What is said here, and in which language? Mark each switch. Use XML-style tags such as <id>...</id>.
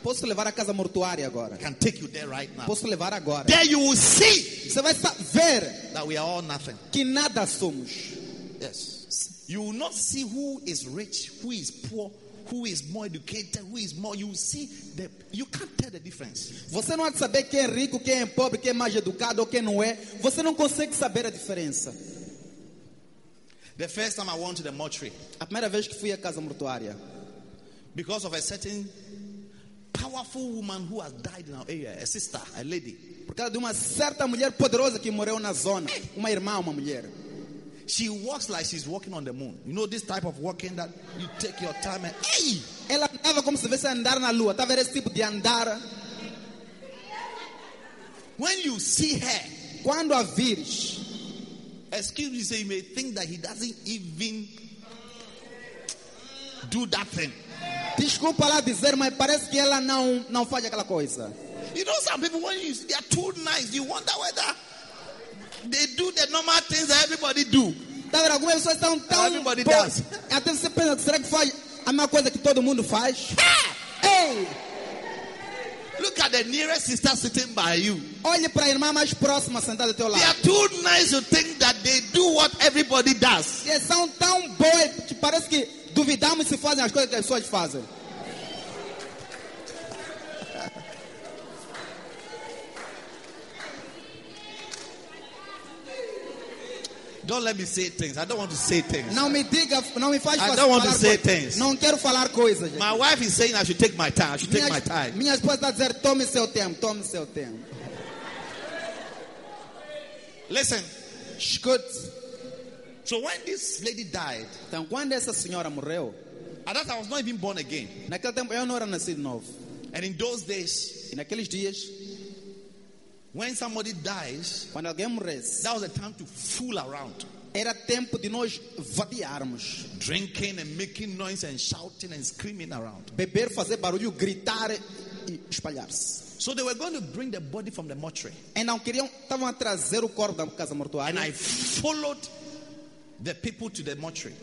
<pt>Posso levar à casa mortuária agora?</pt> <en>I can take you there right now.</en> <pt>Posso levar agora?</pt> <en>There you will see.</en> <pt>Você vai ver</pt> <en>that we are all nothing.</en> <pt>Que nada somos.</pt> <en>Yes. You will not see who is rich, who is poor, who is more educated, who is more. You will see the. You can't tell the difference.</en> <pt>Você não há de saber quem é rico, quem é pobre, quem é mais educado ou quem não é. Você não consegue saber a diferença.</pt> <en>The first time I went to the mortuary.</en> <pt>A primeira vez que fui à casa mortuária.</pt> <en>Because of a certain powerful woman who has died in our area, a sister, a lady.</en> <pt>Por causa de uma certa mulher poderosa que morreu na zona, uma irmã, uma mulher.</pt> <en>She walks like she's walking on the moon. You know this type of walking that you take your time and hey!</en> <pt>Ela andava como se fosse andar na lua. Tá vendo esse tipo de andar?</pt> <en>When you see her,</en> <pt>quando a vires,</pt> <en>excuse me, so you may think that he doesn't even do that thing.</en> <pt>Desculpa lá dizer, mas parece que ela não faz aquela coisa.</pt> <en>You know some people, when you see, they are too nice, you wonder whether they do the normal things that everybody do.</en> <pt>Tá vendo? Algumas pessoas estão tão...</pt> <en>Everybody does.</en> <pt>Até você pensa, será que faz a mesma coisa que todo mundo faz? Hey!</pt> <en>Look at the nearest sister sitting by you.</en> <pt>Olhe para a irmã mais próxima sentada ao teu lado.</pt> <en>They are too nice to think that they do what everybody does.</en> <pt>Eles são tão boas que parece que duvidamos se fazem as coisas que as pessoas fazem.</pt> <en>Yes. Don't let me say things. I don't want to say things.</en> <pt>Não me diga, não me faz</pt> <en>falar. I don't want to say things.</en> <pt>Não quero falar coisas.</pt> <en>My wife is saying I should take my time. I should take my time.</en> <pt>Minha esposa está dizendo, tome seu tempo, tome seu tempo.</pt> <en>Listen.</en> <pt>Escute.</pt> <en>So when this lady died,</en> <pt>então quando essa senhora morreu,</pt> <en>at that time I was not even born again.</en> <pt>Naquele tempo eu não era nascido novo.</pt> <en>And in those days,</en> <pt>e naqueles dias,</pt> <en>when somebody dies,</en> <pt>quando alguém morresse,</pt> <en>that was a time to fool around.</en> <pt>Era tempo de nós vadiarmos.</pt> <en>Drinking and making noise and shouting and screaming around.</en> <pt>Beber, fazer barulho, gritar e espalhar-se.</pt> <en>So they were going to bring the body from the mortuary.</en> <pt>Então queriam, estavam a trazer o corpo da casa mortuária.</pt> <en>And I followed the people to the mortuary.</en>